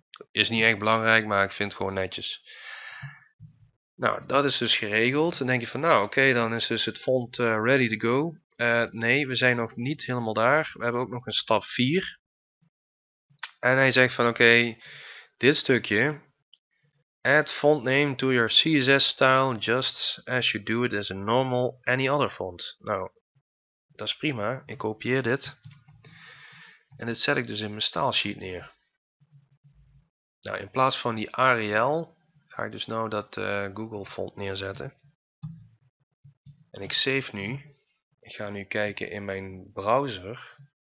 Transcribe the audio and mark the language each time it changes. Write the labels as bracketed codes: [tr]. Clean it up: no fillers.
[nl] Is niet echt belangrijk, maar ik vind het gewoon netjes. Nou, dat is dus geregeld. Dan denk je van, nou oké, dan is dus het font [en] ready to go. [nl] Nee, we zijn nog niet helemaal daar. We hebben ook nog een stap 4. En hij zegt van, oké, dit stukje. [en] Add font name to your CSS style just as you do it as a normal any other font. [nl] Nou, dat is prima. Ik kopieer dit. En dit zet ik dus in mijn stylesheet neer. Nou, in plaats van die Arial ga ik dus nou dat Google font neerzetten. En ik save nu. Ik ga nu kijken in mijn browser.